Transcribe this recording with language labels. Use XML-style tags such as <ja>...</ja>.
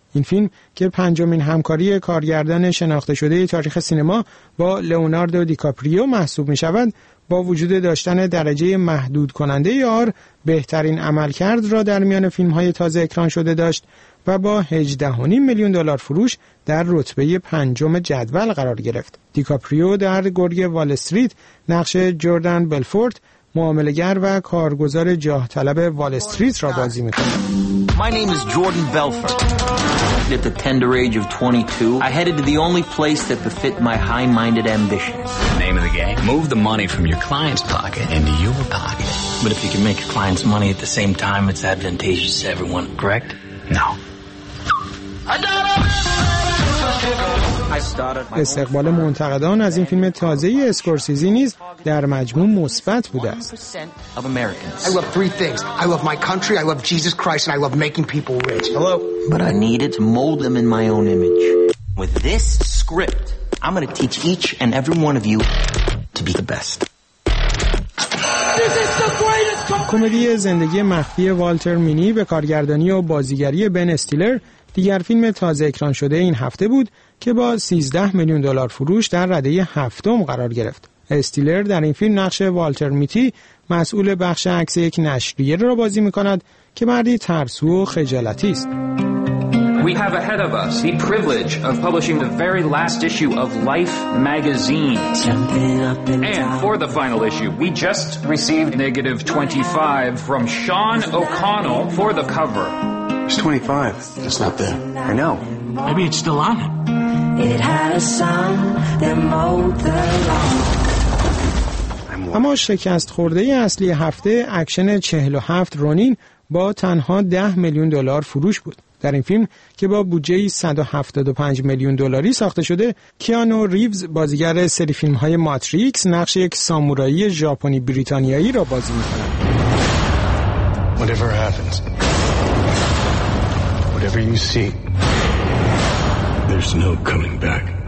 <fa>این فیلم که پنجمین همکاری کارگردان شناخته شده تاریخ سینما با لئوناردو دیکاپریو محسوب می‌شود، با وجود داشتن درجه محدود کننده آر، بهترین عملکرد را در میان فیلم‌های تازه اکران شده داشت و با 18.5 میلیون دلار فروش در رتبه پنجم جدول قرار گرفت. دیکاپریو در گرگ وال استریت نقش جردن بلفورت، معامله‌گر و کارگزار جاه طلب وال استریت را بازی می‌کند.</fa> <en>My name is Jordan Belfort. At the tender age of 22, I headed to the only place that befit my high-minded ambitions. Name of the game? Move the money from your client's pocket into your pocket. But if you can make your client's money at the same time, it's advantageous to everyone, correct? No. I got it!</en> <fa>استقبال منتقدان از این فیلم تازه ای اسکورسیزی نیز در مجموع مثبت بوده است.</fa> <en>I love three things. I love my country, I love Jesus Christ and I love making people rich. Hello. But I need it to mold them in my own image. With this script, I'm going to teach each and every one of you to be the best.</en> <fa>کمدی زندگی مخفی والتر مینی به کارگردانی و بازیگری بن استیلر دیگر فیلم تازه اکران شده این هفته بود که با 13 میلیون دلار فروش در رده هفتم قرار گرفت. استیلر در این فیلم نقش والتر میتی، مسئول بخش عکس یک نشریه را بازی می‌کند که مردی ترسو و خجالتی است.</fa> <en>We have ahead of us the privilege of publishing the very last issue of Life magazine. And for the final issue, we just received negative 25 from Sean O'Connell for the cover. It's 25. It's not there. I know. Maybe it's still on it.</en> <fa>اما شکست خورده اصلی هفته اکشن 47 رونین با تنها 10 میلیون دلار فروش بود. در این فیلم که با بودجه 175 میلیون دلاری ساخته شده، کیانو ریوز بازیگر سری فیلم های ماتریکس نقش یک سامورایی ژاپنی بریتانیایی را بازی می کند.</fa> <en>Whatever happens, whatever you see, there's no coming back.</en>